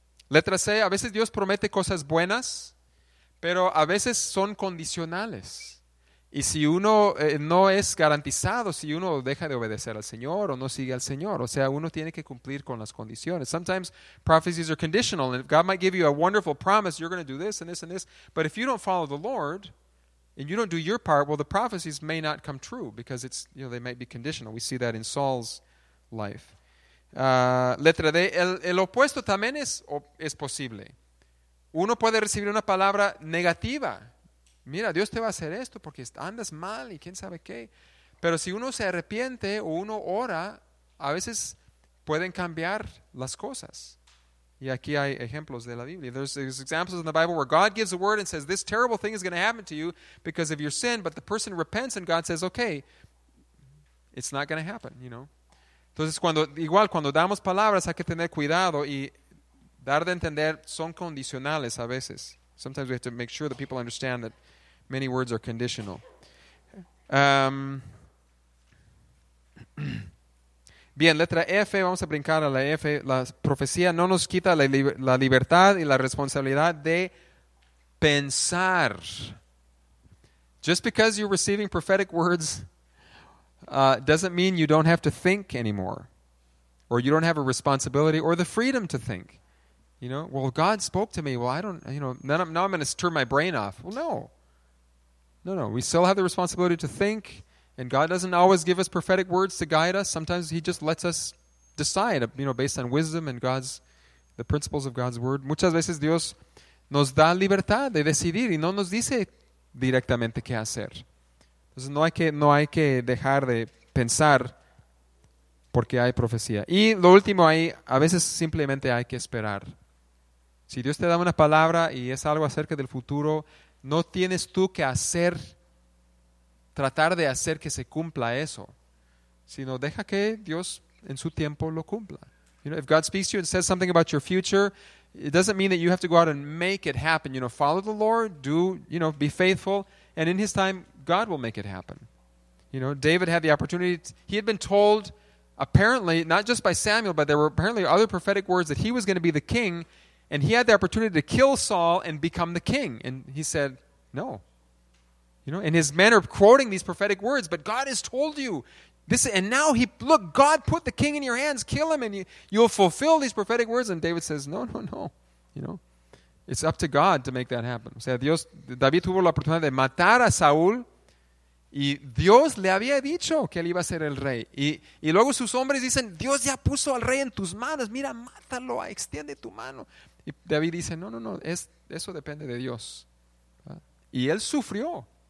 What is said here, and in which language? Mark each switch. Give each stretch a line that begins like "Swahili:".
Spanish: Letra C, a veces Dios promete cosas buenas, pero a veces son condicionales. Y si uno no es garantizado, si uno deja de obedecer al Señor o no sigue al Señor, o sea, uno tiene que cumplir con las condiciones.
English: Sometimes prophecies are conditional, and God might give you a wonderful promise, you're going to do this and this and this, but if you don't follow the Lord and you don't do your part, well, the prophecies may not come true because it's, you know, they might be conditional. We see that in Saul's life.
Spanish: Letra D, el opuesto también es posible. Uno puede recibir una palabra negativa. Mira, Dios te va a hacer esto porque andas mal y quién sabe qué. Pero si uno se arrepiente o uno ora, a veces pueden cambiar las cosas. Y aquí hay ejemplos de la Biblia.
English: There's examples in the Bible where God gives a word and says, this terrible thing is going to happen to you because of your sin, but the person repents and God says, okay, it's not going to happen, you know.
Spanish: Entonces, cuando damos palabras, hay que tener cuidado y dar de entender, son condicionales a veces.
English: Sometimes we have to make sure that people understand that many words are conditional.
Spanish: Bien, letra F, vamos a brincar a la F. La profecía no nos quita la libertad y la responsabilidad de pensar.
English: Just because you're receiving prophetic words doesn't mean you don't have to think anymore, or you don't have a responsibility or the freedom to think. You know, well, God spoke to me. Well, I don't, you know, now I'm going to turn my brain off. Well, no. No, no. We still have the responsibility to think. And God doesn't always give us prophetic words to guide us. Sometimes he just lets us decide, you know, based on wisdom and the principles of God's word.
Spanish: Muchas veces Dios nos da libertad de decidir y no nos dice directamente qué hacer. Entonces no hay que dejar de pensar porque hay profecía. Y lo último ahí, a veces simplemente hay que esperar. Si Dios te da una palabra y es algo acerca del futuro, no tienes tú que hacer tratar de hacer que se cumpla eso, sino deja que Dios en su tiempo lo cumpla.
English: You know, if God speaks to you and says something about your future, it doesn't mean that you have to go out and make it happen. You know, follow the Lord, do, you know, be faithful, and in his time, God will make it happen. You know, David had the opportunity, he had been told, apparently, not just by Samuel, but there were apparently other prophetic words that he was going to be the king, and he had the opportunity to kill Saul and become the king, and he said, no. You know, in his manner of quoting these prophetic words, but God has told you this, and now God put the king in your hands, kill him, and you'll fulfill these prophetic words. And David says, no, no, no. You know, it's up to God to make that happen.
Spanish: O sea, Dios, David tuvo la oportunidad de matar a Saúl, y Dios le había dicho que él iba a ser el rey. Y luego sus hombres dicen, Dios ya puso al rey en tus manos, mira, mátalo, extiende tu mano. Y David dice, no, no, no, eso depende de Dios. Y él sufrió.